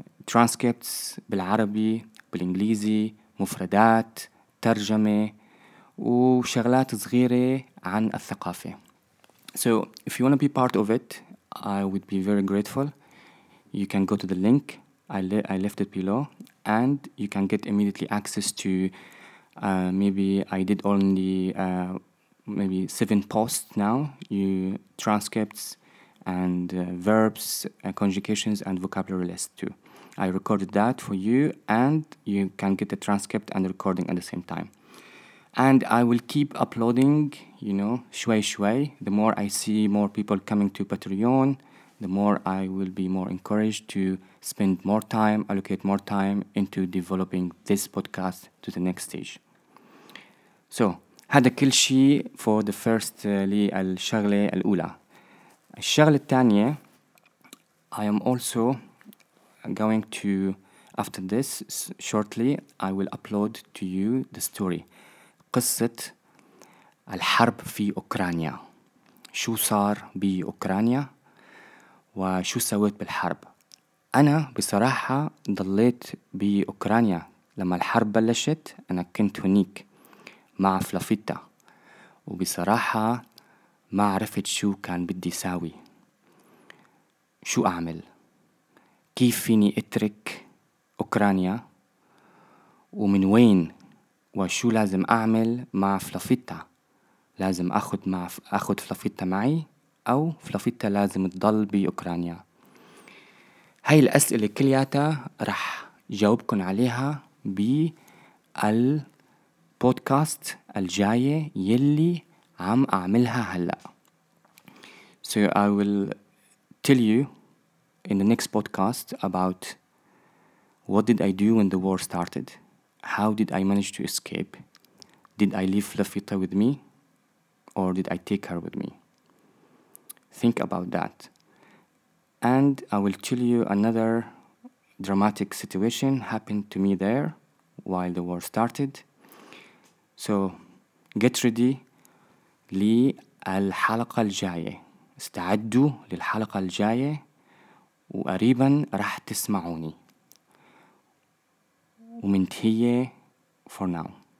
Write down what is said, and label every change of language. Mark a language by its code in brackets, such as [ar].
[en] Transcripts [ar] بالعربي بالإنجليزي مفردات ترجمة وشغلات صغيرة عن الثقافة. [en] So if you want to be part of it, I would be very grateful. You can go to the link I left it below, and you can get immediately access to maybe 7 posts now. You transcripts and verbs, conjugations, and vocabulary list too. I recorded that for you, and you can get the transcript and the recording at the same time. And I will keep uploading, shway shway. The more I see more people coming to Patreon, the more I will be more encouraged to spend more time, allocate more time into developing this podcast to the next stage. So, [ar] هذا كل شيء [en] for the first [ar] الشغلة الأولى. الشغلة الثانية, [en] I am also going to, after this, shortly, I will upload to you the story. [ar] قصة الحرب في أوكرانيا، شو صار بأوكرانيا وشو سويت بالحرب. أنا بصراحة ضليت بأوكرانيا لما الحرب بلشت. أنا كنت هنيك مع فلافيتا، وبصراحة ما عرفت شو كان بدي ساوي، شو أعمل، كيف فيني أترك أوكرانيا، ومن وين وشو لازم أعمل مع فلافيتا. لازم أخذ فلافيتا معي أو فلافيتا لازم تضل بأوكرانيا. هاي الأسئلة كلياتها رح جاوبكن عليها بالبودكاست الجاية يلي عم أعملها هلأ. [en] So I will tell you in the next podcast about what did I do when the war started? How did I manage to escape? Did I leave Flaffita with me? Or did I take her with me? Think about that. And I will tell you another dramatic situation happened to me there while the war started. So get ready [ar] للحلقة الجاية. استعدوا للحلقة الجاية وقريبا رح تسمعوني. ومنتهية [en] for now.